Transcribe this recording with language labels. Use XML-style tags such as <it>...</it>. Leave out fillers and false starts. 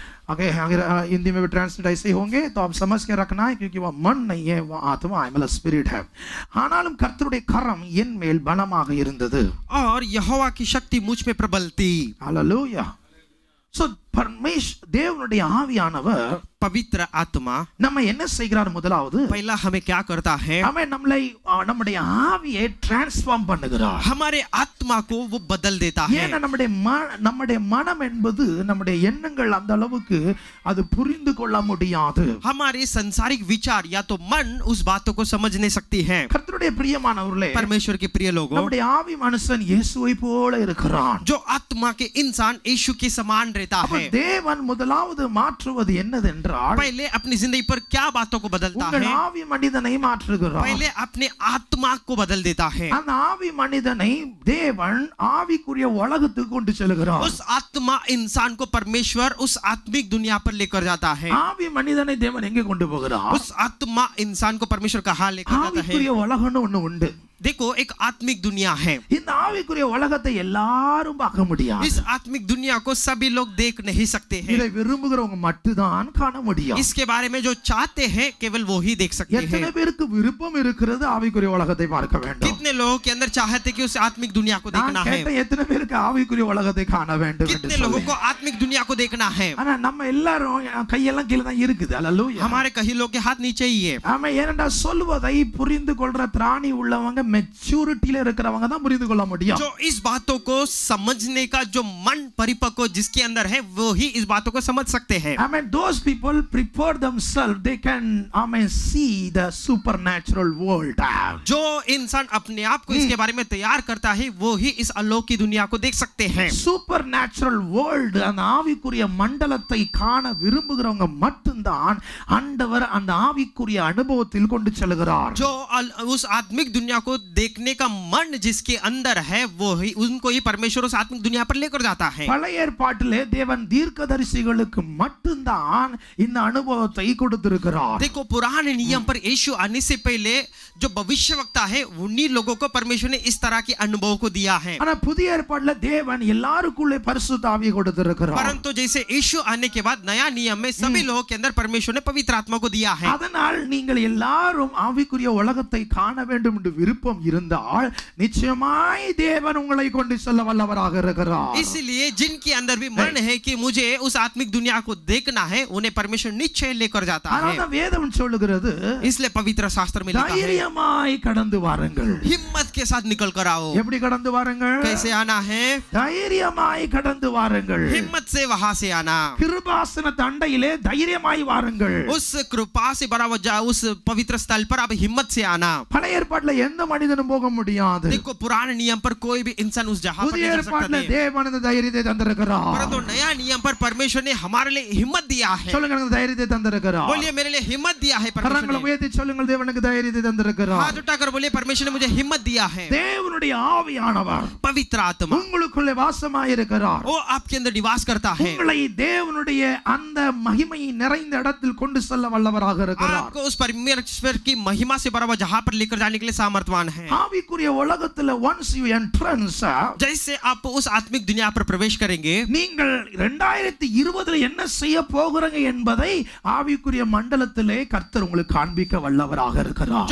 <hi>Okay, अगर हिंदी में भी ट्रांसलेट ऐसे ही होंगे तो आप समझ के रखना है, क्योंकि वह मन नहीं है, वह आत्मा है, मतलब स्पिरिट है।</hi> <ta>आनालम कर्तरुडे करम इन मेल बलमाग इरुंदधु,</ta> <hi>और यहोवा की शक्ति मुझ में प्रबल थी। हालेलुया। सो परमेश्वर</hi> <ta>देवनुடைய ஆவியானவர்</ta> <hi>பவித்ர ஆத்மா</hi> <ta>நம்ம என்ன செய்கிறார், முதலாவது</ta> <hi>पहला हमें क्या करता है, हमें</hi> <ta>நம்மளை நம்முடைய ஆவியை ட்ரான்ஸ்ஃபார்ம் பண்ணுகிறார்,</ta> <hi>हमारे आत्मा को वो बदल देता है।</hi> <ta>ஏன்னா நம்முடைய மனம் என்பது நம்முடைய எண்ணங்கள் அந்த அளவுக்கு அது புரிந்து கொள்ள முடியாது,</ta> <hi>हमारे संसारिक विचार या तो मन उस बातों को समझ नहीं सकती है।</hi> <ta>கர்த்தருடைய பிரியமானவர்களே,</ta> <hi>परमेश्वर के प्रिय लोगों,</hi> <ta>நம்முடைய ஆவி மனுஷன் இயேசுவை போல இருக்கிறான்,</ta> <hi>जो आत्मा के इंसान यीशु के समान रहता है।</hi> <ta>தேவன் முதலாவது மாற்றுவது என்னதென்றால்,</ta> <hi>पहले अपनी जिंदगी पर क्या बातों को बदलता</hi> <ta>है, ஆவி மனிதனை மாற்றுகிறார்,</ta> <hi>पहले अपने आत्मा को बदल देता है।</hi> <ta>அந்த ஆவி மனிதனை தேவன் ஆவிக்குரிய உலகத்துக்கு கொண்டு செல்கிறார்,</ta> <hi>उस आत्मा इंसान को परमेश्वर उस आत्मिक दुनिया पर लेकर जाता है।</hi> <ta>ஆவி மனிதனை தேவன் எங்க கொண்டு போகிறார்,</ta> <hi>उस आत्मा इंसान को परमेश्वर कहां लेकर जाता है,</hi> <ta>ஆவிக்குரிய உலகம்னு ஒன்னு உண்டு।</ta> <hi>देखो एक आत्मिक दुनिया है,</hi> <ta>இந்த ஆவிக்குரிய உலகத்தை எல்லாரும் பார்க்க முடியாது,</ta> <hi>इस आत्मिक दुनिया को सभी लोग देख नहीं सकते हैं,</hi> <ta>இதை விரும்புகிறவங்க மட்டும்தான் காண முடியும்,</ta> <hi>इसके बारे में जो चाहते हैं केवल वो ही देख सकते हैं।</hi> <ta>எத்தனை பேருக்கு விருப்பம் இருக்குது ஆவிக்குரிய உலகத்தை பார்க்க வேண்டும்,</ta> <hi>कितने लोगों के अंदर चाहते कि उस आत्मिक दुनिया को देखना है,</hi> <ta>நான் எத்தனை பேருக்கு ஆவிக்குரிய உலகத்தை காண வேண்டும்,</ta> <hi>कितने लोगों को आत्मिक दुनिया को देखना है।</hi> <ta>ஆனா நம்ம எல்லாரும் கையெல்லாம் கீழ தான் இருக்குது, ஹalleluya,</ta> <hi>हमारे कई लोगों के हाथ नीचे ही है।</hi> <ta>நாம என்னடா சொல்வதை புரிந்துகொள்ற திராணி உள்ளவங்க மெச்சூரிட்டில இருக்கிறவங்க தான் புரிந்து கொள்ள முடியும்,</ta> <hi>जो इस बातों को समझने का जो मन परिपक्व जिसके अंदर है वो ही इस बातों को समझ सकते हैं।</hi> <en>I mean those people prepare themselves, they can I mean see the supernatural world,</en> <hi>जो इंसान अपने आप को इसके बारे में तैयार करता है वो ही इस अलौकिक दुनिया को देख सकते हैं।</hi> <en>supernatural world</en> <ta>அந்த ஆவிக்குரிய மண்டலத்தை காண விரும்புகிறவங்க மட்டும்தான் ஆண்டவர் அந்த ஆவிக்குரிய அனுபவத்தில் கொண்டு செல்கிறார்,</ta> <hi>जो उस आत्मिक दुनिया को देखने का मन जिसके अंदर है वो ही उनको ही परमेश्वर उस आत्मिक दुनिया पर लेकर जाता है।</hi> <ta>பழைய ஏற்பாட்டிலே தேவன் தீர்க்கதரிசிகளுக்கு மட்டும்தான் இந்த அனுபவத்தை கொடுத்திருக்கிறார்,</ta> <hi>देखो पुराने नियम पर यीशु आने से पहले जो भविष्यवक्ता है उन्हीं लोगों को परमेश्वर ने इस तरह के अनुभव को दिया है।</hi> <ta>ஆனா புதிய ஏற்பாட்டிலே தேவன் எல்லாருக்குள்ளே பரிசுத்த ஆவி கொடுத்திருக்கிறார்,</ta> <hi>परंतु जैसे यीशु आने के बाद नया नियम में सभी लोगों के अंदर परमेश्वर ने पवित्र आत्मा को दिया है।</hi> <ta>அதனால் நீங்கள் எல்லாரும் ஆவிக்குரிய உலகத்தை காண வேண்டும் விருப்பம் இருந்தால் நிச்சயமாய் தேவன் உங்களை கொண்டு செல்ல வல்லவராக இருக்கிறார்,</ta> <hi>इसलिए जिनके अंदर भी मन है कि मुझे उस आत्मिक दुनिया को देखना है उन्हें परमेश्वर निश्चय लेकर जाता है।</hi> <ta>அதனால் வேதம் சொல்கிறது,</ta> <hi>इसलिए</hi> <ta>பவித்திர சாஸ்திரம் இல்லை, தைரியமாய் கடந்து வாருங்கள்,</ta> <hi>हिम्मत के साथ निकल कर आओ,</hi> <ta>எப்படி கடந்து வாருங்கள்,</ta> <hi>कैसे आना है,</hi> <ta>தைரியமாய் கடந்து வாருங்கள்,</ta> <hi>हिम्मत से वहां से आना,</hi> <ta>கிருபாசன தண்டையிலே தைரியமாய் வாருங்கள்,</ta> <hi>उस कृपा से भरा जा उस पवित्र स्थल पर आप हिम्मत से आना।</hi> <ta>பழைய ஏற்பாட்டில் எந்த மனிதனும் போக முடியாது,</ta> <hi>देखो पुराने नियम पर कोई भी इंसान उस जहां पर नहीं जा सकता है,</hi> <ta>தேவன் அந்த தைரியத்தை தந்திருக்கிறார்,</ta> <hi>परंतु नया नियम पर परमेश्वर ने हमारे लिए हिम्मत दिया है,</hi> <ta>சொல்லுங்க அந்த தைரியத்தை தந்திருக்கிறார்,</ta> <hi>बोलिए मेरे लिए हिम्मत दिया है परमेश्वर ने,</hi> <ta>கரங்களை உயர்த்தி சொல்லுங்க தேவனுக்கு தைரியத்தை தந்திருக்கிறார்,</ta> <hi>हाथ उठाकर बोलिए परमेश्वर ने मुझे हिम्मत दिया है,</hi> <ta>தேவனுடைய ஆவியானவர்</ta> <hi>பவித்திர ஆத்மா</hi> <ta>உங்களுக்குள்ளே வாசமாய் இருக்கிறார்,</ta> <hi>ஓ आपके अंदर निवास करता है,</hi> <ta>உங்களை தேவனுடைய அந்த மகிமை நிறைந்த இடத்தில் கொண்டு செல்ல வல்லவராக இருக்கிறார்,</ta> <hi>आपको उस परमेश्वर की महिमा से भरा जहां पर लेकर जाने के लिए सामर्थ्यवान है।</hi> <ta>ஆவிக்குரிய உலகத்துல</ta> <en>once you enter,</en> <hi>जैसे आप उस आत्मिक दुनिया पर प्रवेश करेंगे,</hi> <ta>நீங்கள் 2020ல என்ன செய்ய போகிறங்க என்பதை ஆவிக்குரிய மண்டலத்திலே கர்த்தர் உங்களுக்கு காண்பிக்க வல்லவராக இருக்கிறார்,</ta>